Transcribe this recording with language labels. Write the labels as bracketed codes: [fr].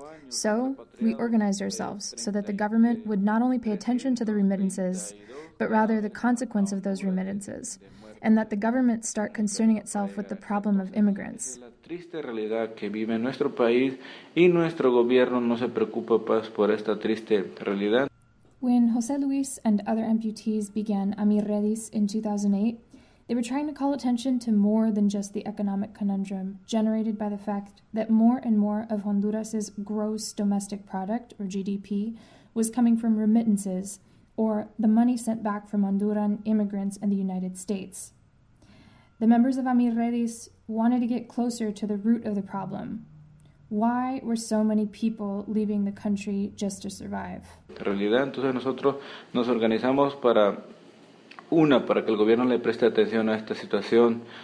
[en] So we organized ourselves so that the government would not only pay attention to the remittances, but rather the consequence of those remittances, and that the government start concerning itself with the problem of immigrants. [es] La triste realidad que vive nuestro país y nuestro gobierno no se preocupa pues por esta triste realidad. [en] When José Luis and other amputees began AmiRedis in 2008, they were trying to call attention to more than just the economic conundrum generated by the fact that more and more of Honduras's gross domestic product, or GDP, was coming from remittances, or the money sent back from Honduran immigrants in the United States. The members of AmiRedis wanted to get closer to the root of the problem. Why were so many people leaving the country just to survive? [es] En realidad, entonces nosotros nos organizamos para, una, para que el gobierno le preste atención a esta situación.